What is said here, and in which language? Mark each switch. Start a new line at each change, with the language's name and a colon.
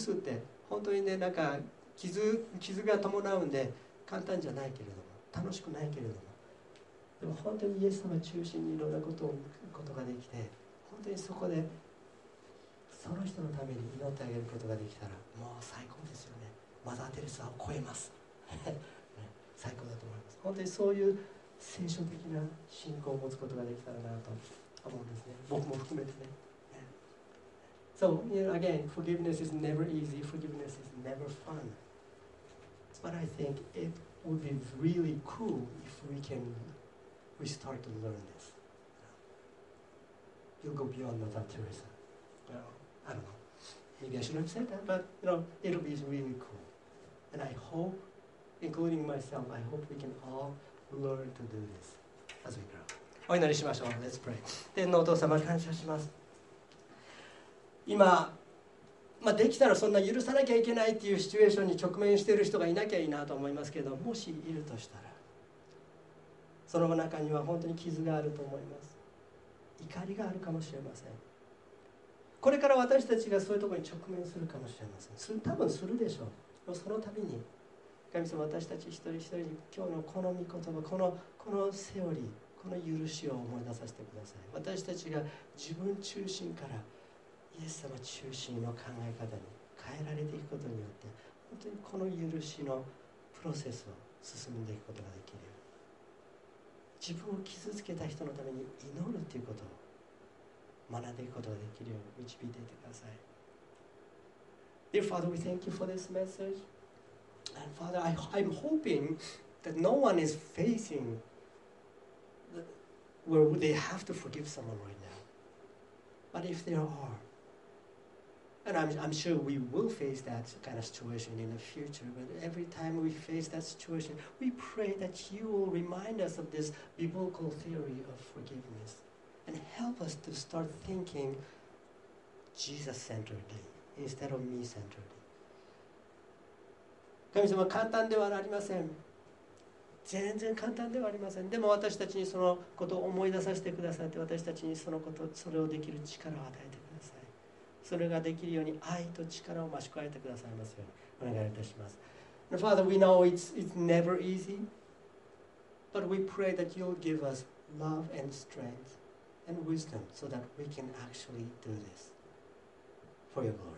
Japanese: 許すって本当にね、なんか傷が伴うんで簡単じゃないけれども、楽しくないけれども、でも本当にイエス様中心にいろんなことができて、本当にそこでその人のために祈ってあげることができたら、もう最高ですよね。マザーテレサを超えます最高だと思います。本当にそういう聖書的な信仰を持つことができたらなと思うんですね、僕も含めてね。
English: So, you know, again, forgiveness is never easy, forgiveness is never fun. But I think it would be really cool if we start to learn this. You'll go beyond Mother Teresa. Well, I don't know. Maybe I shouldn't have said that, but, you know, it'll be really cool. And I hope, including myself, I hope we can all learn to do this as we grow.
Japanese: お祈りしましょう。
English: Let's pray.
Japanese: 天のお父様、感謝します。今、まあ、できたらそんな許さなきゃいけないっていうシチュエーションに直面している人がいなきゃいいなと思いますけど、もしいるとしたら、その中には本当に傷があると思います。怒りがあるかもしれません。これから私たちがそういうところに直面するかもしれません。多分するでしょう。その度に神様、私たち一人一人に今日のこの御言葉、このセオリー、この許しを思い出させてください。私たちが自分中心からイエス様中心の考え方に変えられていくことによって、本当にこの許しのプロセスを進んでいくことができる。自分を傷つけた人のために祈るということを学んでいくことができるように導いていてください。
English: Dear Father, we thank you for this message. And Father, I'm hoping that no one is facing where they have to forgive someone right now. But if there areAnd I'm sure we will face that kind of situation in the future. But every time we face that situation, we pray that you will remind us of this biblical theory of forgiveness and help us to start thinking Jesus-centeredly instead of me-centeredly.
Japanese: 神様、簡単ではありません。全然簡単ではありません。でも私たちにそのことを思い出させてくださって、私たちにそのこと、それをできる力を与えてください。それができるように愛と力を増し加えてくださいますようにお願いいたします。
English: And、Father, we know it's never easy, but we pray that you'll give us love and strength and wisdom so that we can actually do this for your glory.